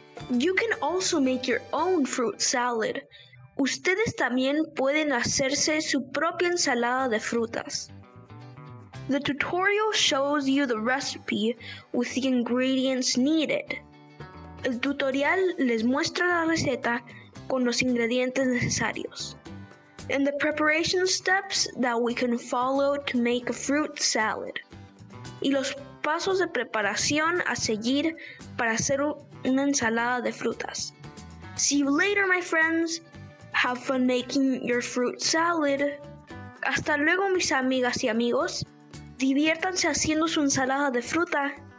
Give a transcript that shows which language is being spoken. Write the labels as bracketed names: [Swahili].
[English] You can also make your own fruit salad. [Spanish] Ustedes también pueden hacerse su propia ensalada de frutas. [English] The tutorial shows you the recipe with the ingredients needed. [Spanish] El tutorial les muestra la receta con los ingredientes necesarios. [English] And the preparation steps that we can follow to make a fruit salad. [Spanish] Y los pasos de preparación a seguir para hacer una ensalada de frutas. [English] See you later, my friends. Have fun making your fruit salad. [Spanish] Hasta luego, mis amigas y amigos. Diviértanse haciendo su ensalada de fruta.